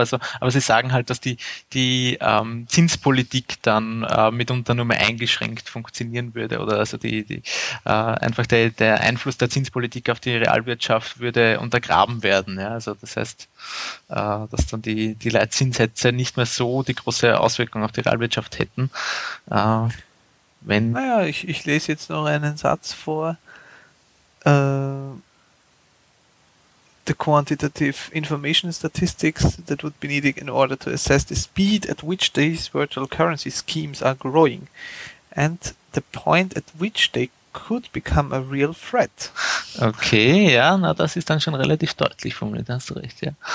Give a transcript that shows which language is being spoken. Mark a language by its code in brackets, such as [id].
[de] Also, aber sie sagen halt, dass die Zinspolitik dann mitunter nur mehr eingeschränkt funktionieren würde, oder also der Einfluss der Zinspolitik auf die Realwirtschaft würde untergraben werden. Ja? Also das heißt, dass dann die Leitzinssätze nicht mehr so die große Auswirkung auf die Realwirtschaft hätten. Naja, ich lese jetzt noch einen Satz vor. [en] The quantitative information statistics that would be needed in order to assess the speed at which these virtual currency schemes are growing and the point at which they could become a real threat. [de] Okay, ja, na, das ist dann schon relativ deutlich formuliert, hast du recht, ja.